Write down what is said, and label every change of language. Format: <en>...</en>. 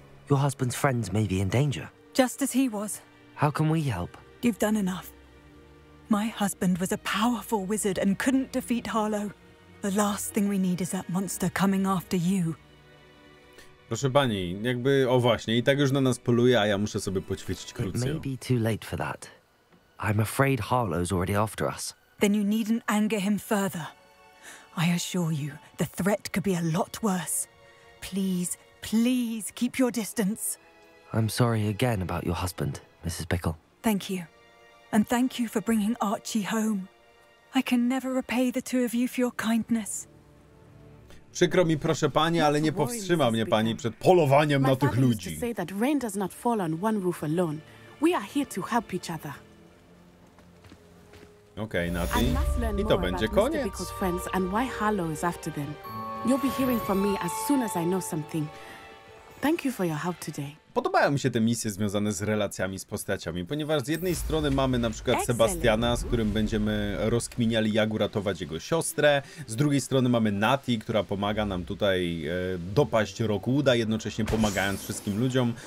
<en>Your husband's friends may be in danger. Just as he was. How can we help? You've done enough. My husband was a powerful wizard and couldn't defeat Harlow. The last thing we need is that monster coming after you.</en> <pl>Proszę pani, jakby, o właśnie, i tak już na nas poluje, a ja muszę sobie poćwiczyć krucję.</pl> <en>It may be too late for that. I'm afraid Harlow's already after us. Then you needn't anger him further. I assure you, the threat could be a lot worse. Please, please keep your distance. I'm sorry again about your husband, Mrs. Bickle. Thank you. And thank you for bringing Archie home. I can never repay the two of you for your kindness.</en> <pl>Przykro mi, proszę pani, ale nie powstrzyma mnie pani przed polowaniem na tych ludzi.</pl> <en>Say that rain does not fall on one roof alone. We are here to help each other.</en> <pl>Okej, Nati. I to będzie koniec.</pl> <en>Friends and why Harlow is after them. You'll be hearing from me as soon as I know something. Thank you for your help today.</en> <pl>Podobają mi się te misje związane z relacjami z postaciami, ponieważ z jednej strony mamy na przykład Sebastiana, z którym będziemy rozkminiali, jak uratować jego siostrę, z drugiej strony mamy Nati, która pomaga nam tutaj dopaść Rockwooda, jednocześnie pomagając wszystkim ludziom.</pl>